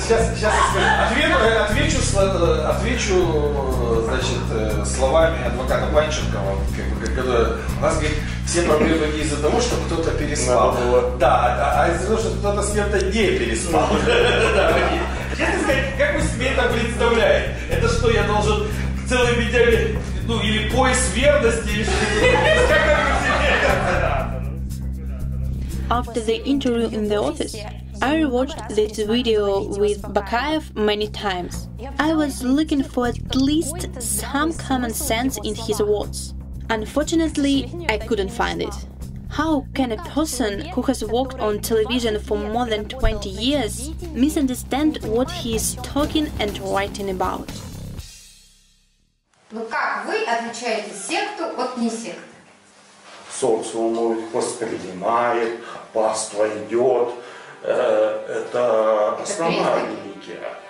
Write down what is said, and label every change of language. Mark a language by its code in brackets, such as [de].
[ru] сейчас отвечу значит, словами адвоката Панченкова, который у нас говорит, все проблемы не из-за того, что кто-то переспал. Надо да, а из-за того, что кто-то с кем-то не переспал. Честно сказать, как вы себе это представляете? Это что, я должен целыми днями, ну или пояс верности, или что-то? [en] After the interview in the office, I rewatched this video with Bakayev many times. I was looking for at least some common sense in his words. Unfortunately, I couldn't find it. How can a person who has worked on television for more than 20 years misunderstand what he is talking and writing about? [ru] Ну как вы отличаете секту от несекты? Социум их воспринимает, паства идет. Это основная религия.